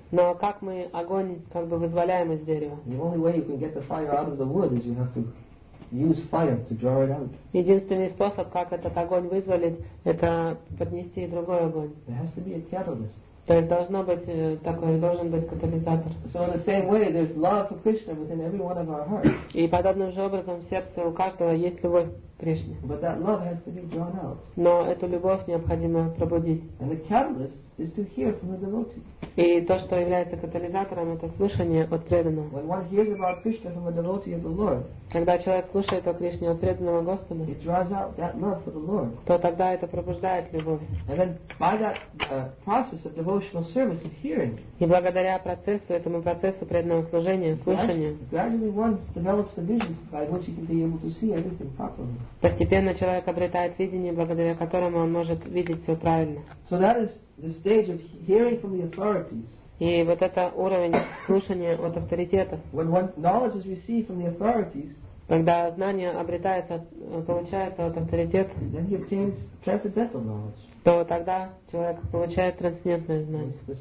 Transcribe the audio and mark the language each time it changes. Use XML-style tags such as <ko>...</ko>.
<ru>Но как мы огонь как бы вызволяем из дерева?</ru> <en>The only way you can get the fire out of the wood is you have to use fire to draw it out.</en> <ru>Единственный способ, как этот огонь вызволить, это поднести другой огонь.</ru> <en>There has to be a catalyst.</en> <ru>То есть должно быть такой, должен быть катализатор.</ru> <en>So in the same way, there's love for Krishna within every one of our hearts.</en> <ru>И подобным же образом в сердце у каждого есть любовь к Кришне.</ru> <en>But that love has to be drawn out.</en> <ru>Но эту любовь необходимо пробудить.</ru> <en>And the catalyst is to hear from the devotee.</en> <ru>И то, что является катализатором, это слушание от преданного.</ru> <en>When one hears about Krishna from a devotee of the Lord,</en> <ru>когда человек слушает о Кришне от преданного Господа,</ru> <en>it draws out that love for the Lord.</en> <ru>То тогда это пробуждает любовь.</ru> <en>And then by that process of devotional service of hearing,</en> <ru>и благодаря процессу, этому процессу преданного служения, слушания,</ru> <en>gradually one develops the visions by which he can be able to see everything properly.</en> <ru>Постепенно человек обретает видение, благодаря которому он может видеть все правильно.</ru> <en>So that is the stage of hearing from the authorities.</en> <ru>И вот это уровень слушания от авторитетов.</ru> <en>When knowledge is received from the authorities,</en> <ru>когда знание обретается, получается от авторитетов,</ru> <en>then he obtains transcendental knowledge.</en> <ru>То тогда человек получает трансцендентное знание.</ru>